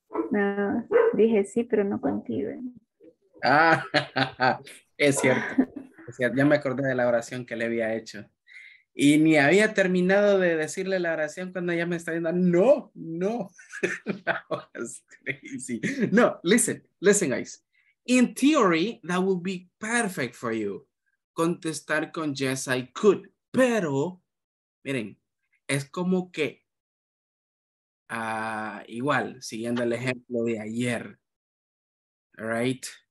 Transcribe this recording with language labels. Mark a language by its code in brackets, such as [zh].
[es] No, dije sí, pero no contigo. Ah, es cierto, ya me acordé de la oración que le había hecho. Y ni había terminado de decirle la oración cuando ella me está diciendo, no, no. [en] That was crazy. No, listen, guys. In theory, that would be perfect for you. [es] Contestar con [en] yes, I could. [es] Pero, miren, es como que, igual, siguiendo el ejemplo de ayer, right?